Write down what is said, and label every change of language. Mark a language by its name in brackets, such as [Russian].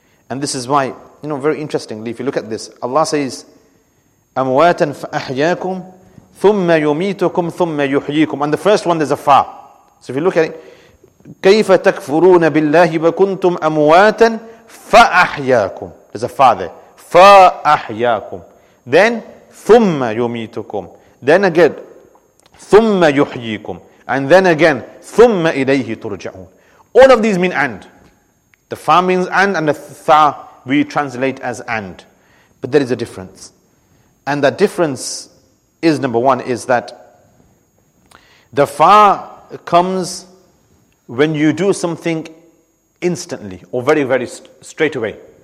[English] And this is why, you know, very interestingly, if you look at this, Allah says, [Arabic] أَمْوَاتًا فَأَحْيَاكُمْ ثُمَّ يُمِيتُكُمْ ثُمَّ يُحْيِيكُمْ. [English] And the first one, there's a fa. So if you look at it, [Arabic] كَيْفَ تَكْفُرُونَ بِاللَّهِ وَكُنْتُمْ أَمْوَاتًا فَأَحْيَاكُمْ. [English] There's a fa there. [Arabic] فَأَحْيَاكُمْ. [English] Then, [Arabic] ثُمَّ يُمِيتُكُمْ. [English] Then again, [Arabic] ثُمَّ يُحْيِيكُمْ. [English] And then again, [Arabic] ثُمَّ إِلَيْهِ تُرْجَعُونَ. [English] All of these mean and. The fa means and the fa we translate as and. But there is a difference. And the difference is, number one, is that the fa comes when you do something instantly or very, very straight away.